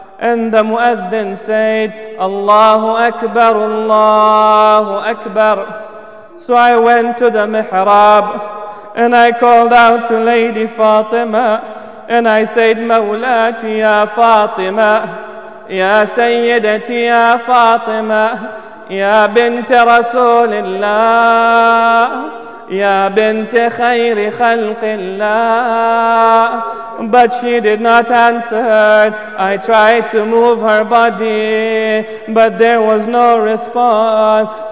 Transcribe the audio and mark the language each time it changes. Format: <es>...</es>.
<en>And the muezzin said, Allahu Akbar, Allahu Akbar. So I went to the mihrab and I called out to Lady Fatima and I said,</en> <ar>Mawlati ya Fatima, ya Sayyidati ya Fatima, يا بنت رسول الله يا بنت خير خلق الله.</ar> <en>But she did not answer. I tried to move her body, but there was no response.</en>